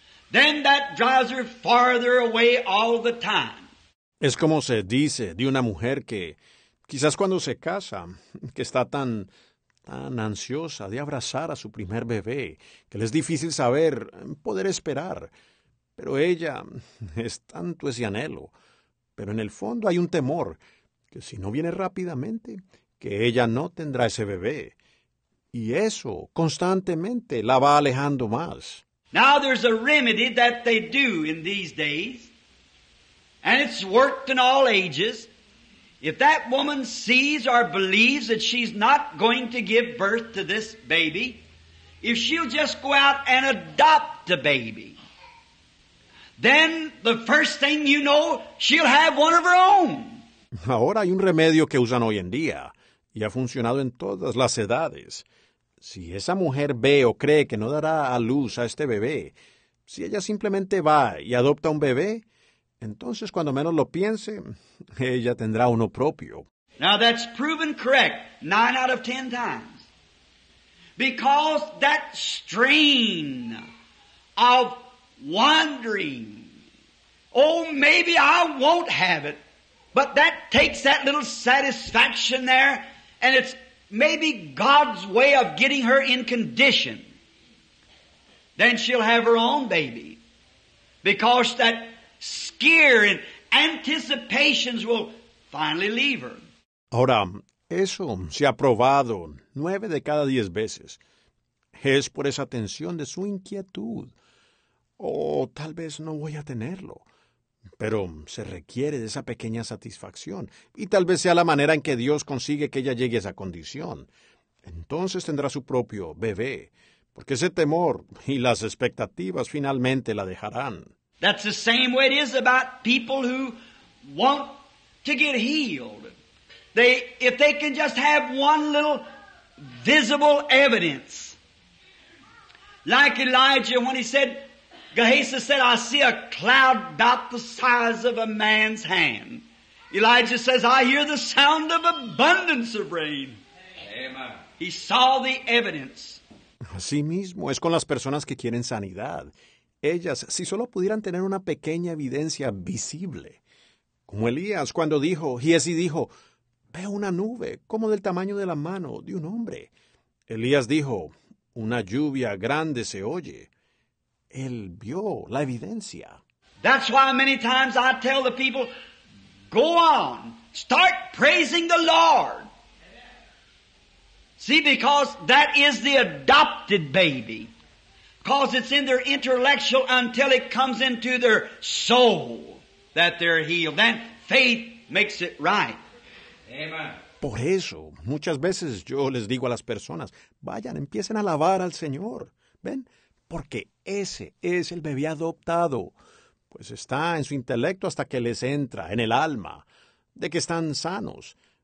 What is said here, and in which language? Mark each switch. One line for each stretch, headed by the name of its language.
English: Then that drives her farther away all the time.
Spanish: Es como se dice de una mujer que quizás cuando se casa, que está tan ansiosa de abrazar a su primer bebé, que le es difícil saber, poder esperar. Pero ella es tanto ese anhelo. Pero en el fondo hay un temor, que si no viene rápidamente, que ella no tendrá ese bebé. Y eso constantemente la va alejando más.
English: Now there's a remedy that they do in these days, and it's worked in all ages. If that woman sees or believes that she's not going to give birth to this baby, if she'll just go out and adopt the baby, then the first thing you know, she'll have one of her own.
Spanish: Ahora hay un remedio que usan hoy en día, y ha funcionado en todas las edades. Si esa mujer ve o cree que no dará a luz a este bebé, si ella simplemente va y adopta un bebé, entonces cuando menos lo piense, ella tendrá uno propio.
English: Now that's proven correct 9 out of 10 times. Because that strain of wondering, oh, maybe I won't have it, but that takes that little satisfaction there, and it's maybe God's way of getting her in condition. Then she'll have her own baby. Because that scare and anticipations will finally leave her.
Spanish: Ahora, eso se ha probado 9 de cada 10 veces. Es por esa tensión de su inquietud. Tal vez no voy a tenerlo. Pero se requiere de esa pequeña satisfacción. Y tal vez sea la manera en que Dios consigue que ella llegue a esa condición. Entonces tendrá su propio bebé. Porque ese temor y las expectativas finalmente la dejarán.
English: That's the same way it is about people who want to get healed. If they can just have one little visible evidence. Like Elijah when he said, Gehazi said, I see a cloud about the size of a man's hand. Elijah says, I hear the sound of abundance of rain. Amen. He saw the evidence.
Spanish: Así mismo es con las personas que quieren sanidad. Ellas, si solo pudieran tener una pequeña evidencia visible. Como Elías cuando dijo, Giesi dijo, veo una nube como del tamaño de la mano de un hombre. Elías dijo, una lluvia grande se oye. Él vio la evidencia.
English: That's why many times I tell the people, go on, start praising the Lord. See, because that is the adopted baby. Because it's in their intellectual until it comes into their soul that they're healed. Then faith makes it right. Amen.
Spanish: Por eso, muchas veces yo les digo a las personas, vayan, empiecen a alabar al Señor. ¿Ven? Porque ese es el bebé adoptado. Pues está en su intelecto hasta que les entra en el alma de que están sanos.